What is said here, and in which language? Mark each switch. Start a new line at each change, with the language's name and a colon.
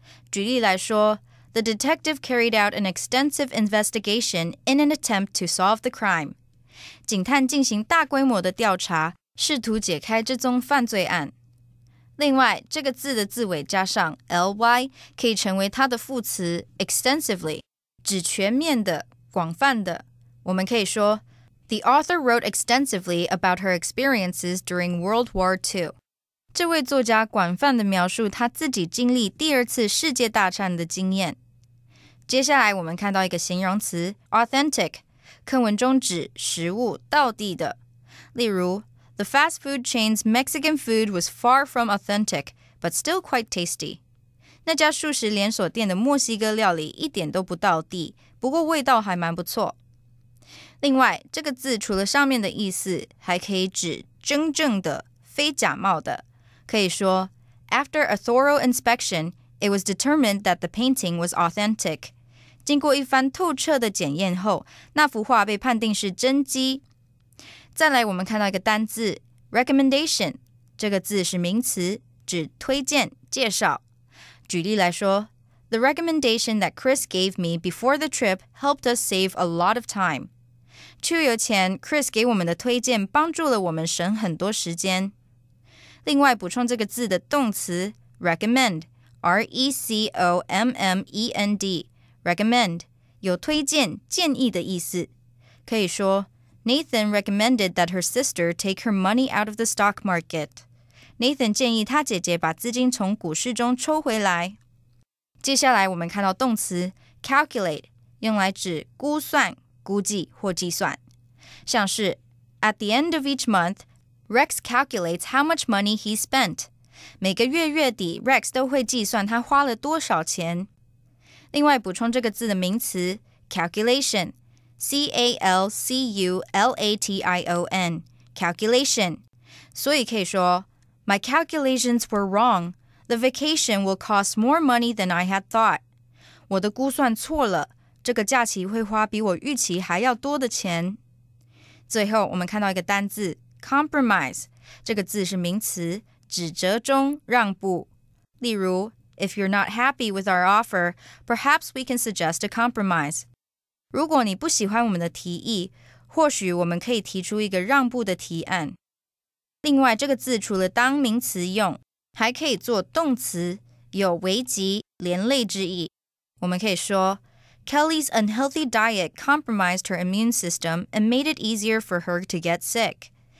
Chinese: 举例来说
English: ，The detective carried out an extensive investigation in an attempt to solve the crime.
Chinese: 警探进行大规模的调查，试图解开这宗犯罪案。另外，这个字的字尾加上 ly 可以成为它的副词 extensively， 指全面的、广泛的。我们可以说。
English: The author wrote extensively about her experiences during World War II.
Chinese: 这位作家广泛地描述他自己经历第二次世界大战的经验。接下来我们看到一个形容词 authentic, 课文中指食物道地的。例如
English: ,The fast food chain's Mexican food was far from authentic, but still quite tasty.
Chinese: 那家素食连锁店的墨西哥料理一点都不道地，不过味道还蛮不错。另外，这个字除了上面的意思，还可以指真正的、非假冒的。可以说
English: After a thorough inspection, it was determined that the painting was authentic.
Chinese: 经过一番透彻的检验后，那幅画被判定是真迹。再来，我们看到一个单字 recommendation， 这个字是名词，指推荐、介绍。举例来说
English: ，The recommendation that Chris gave me before the trip helped us save a lot of time.
Chinese: 出游前 ，Chris 给我们的推荐帮助了我们省很多时间。另外，补充这个字的动词 recommend，R-E-C-O-M-M-E-N-D， recommend 有推荐、建议的意思。可以说
English: ，Nathan recommended that her sister take her money out of the stock market.
Chinese: Nathan 建议他姐姐把资金从股市中抽回来。接下来我们看到动词 calculate， 用来指估算、估计或计算。像是
English: At the end of each month, Rex calculates how much money he spent.
Chinese: 每个月月底 ,Rex 都会计算他花了多少钱。另外补充这个字的名词 calculation, C-A-L-C-U-L-A-T-I-O-N, calculation. 所以可以说
English: My calculations were wrong. The vacation will cost more money than I had thought.
Chinese: 我的估算错了，这个假期会花比我预期还要多的钱。最后，我们看到一个单字 compromise， 这个字是名词，指折中、让步。例如
English: ，If you're not happy with our offer, perhaps we can suggest a compromise.
Chinese: 如果你不喜欢我们的提议，或许我们可以提出一个让步的提案。另外，这个字除了当名词用，还可以做动词，有危急、连累之意。我们可以说
English: ，Kelly's unhealthy diet compromised her immune system and made it easier for her to get sick.